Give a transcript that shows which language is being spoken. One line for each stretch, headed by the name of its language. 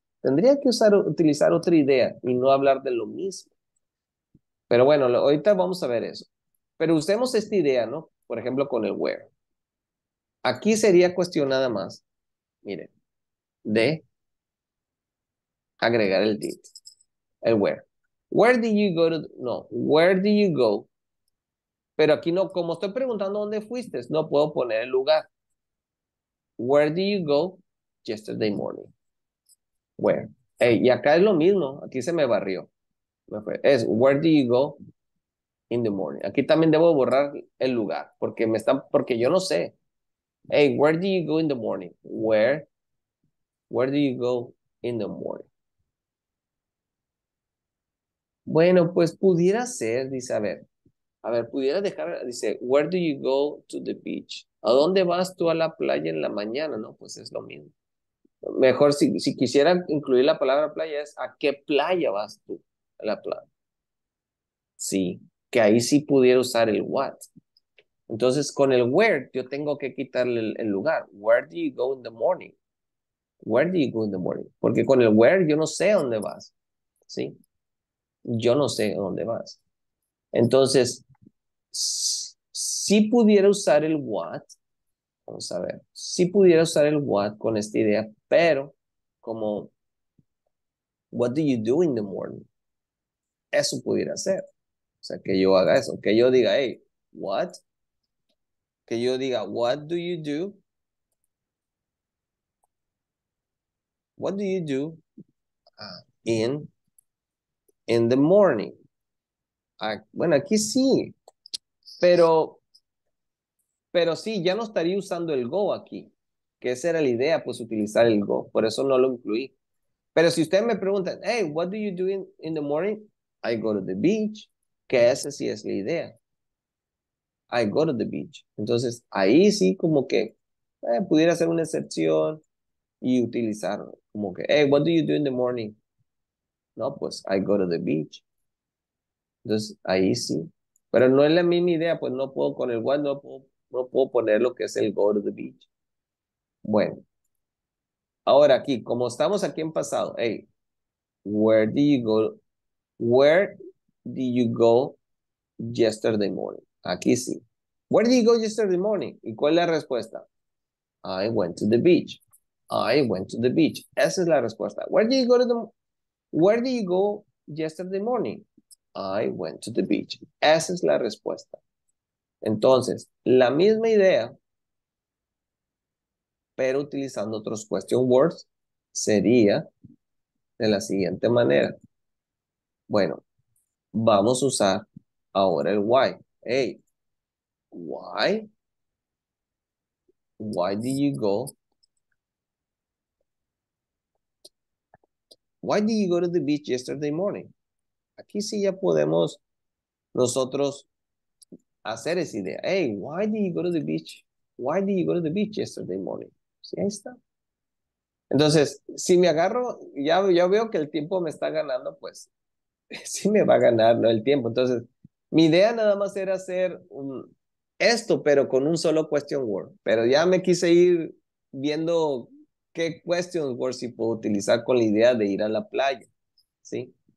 Spanish: Tendría que utilizar otra idea y no hablar de lo mismo. Pero bueno, ahorita vamos a ver eso. Pero usemos esta idea, ¿no? Por ejemplo, con el where. Aquí sería cuestión nada más, miren, de agregar el did, el where.
English: Where did you go to, no, where did you go?
Spanish: Pero aquí no, como estoy preguntando dónde fuiste, no puedo poner el lugar.
English: Where did you go yesterday morning? Where.
Spanish: Y acá es lo mismo, aquí se me barrió. Me fue.
English: Es where did you go in the morning.
Spanish: Aquí también debo borrar el lugar porque me están, porque yo no sé.
English: Hey, where did you go in the morning? Where do you go in the morning?
Spanish: Bueno, pues pudiera ser, dice, a ver, pudiera dejar, dice,
English: where do you go to the beach?
Spanish: ¿A dónde vas tú a la playa en la mañana? No, pues es lo mismo. Mejor si quisiera incluir la palabra playa es, ¿a qué playa vas tú a la playa? Sí, que ahí sí pudiera usar el what. Entonces, con el where, yo tengo que quitarle el lugar.
English: Where do you go in the morning? Where do you go in the morning?
Spanish: Porque con el where, yo no sé a dónde vas. ¿Sí? Yo no sé a dónde vas. Entonces, si pudiera usar el what, vamos a ver, si pudiera usar el what con esta idea, pero como,
English: what do you do in the morning?
Spanish: Eso pudiera ser. O sea, que yo haga eso, que yo diga, hey, what? Que yo diga,
English: what do you do? What do you do in the morning?
Spanish: Bueno, aquí sí, pero sí, ya no estaría usando el go aquí, que esa era la idea, pues utilizar el go, por eso no lo incluí. Pero si ustedes me preguntan,
English: hey, what do you do in the morning? I go to the beach,
Spanish: que esa sí es la idea.
English: I go to the beach.
Spanish: Entonces, ahí sí, como que pudiera ser una excepción y utilizar como que,
English: hey, what do you do in the morning?
Spanish: No, pues,
English: I go to the beach.
Spanish: Entonces, ahí sí. Pero no es la misma idea, pues no puedo con el what, no puedo poner lo que es el
English: go to the beach.
Spanish: Bueno, ahora aquí, como estamos aquí en pasado,
English: hey, where do you go? Where did you go yesterday morning?
Spanish: Aquí sí.
English: Where did you go yesterday morning?
Spanish: ¿Y cuál es la respuesta?
English: I went to the beach. I went to the beach.
Spanish: Esa es la respuesta.
English: Where did you go yesterday morning? I went to the beach.
Spanish: Esa es la respuesta. Entonces, la misma idea, pero utilizando otros question words, sería de la siguiente manera. Bueno, vamos a usar ahora el why.
English: Hey, why? Why did you go? Why did you go to the beach yesterday morning?
Spanish: Aquí sí ya podemos nosotros hacer esa idea.
English: Hey, why did you go to the beach? Why did you go to the beach yesterday morning?
Spanish: Sí, ahí está. Entonces, si me agarro, ya veo que el tiempo me está ganando, pues sí me va a ganar, ¿no? El tiempo. Entonces, mi idea nada más era hacer esto, pero con un solo question word. Pero ya me quise ir viendo qué question word si puedo utilizar con la idea de ir a la playa, ¿sí?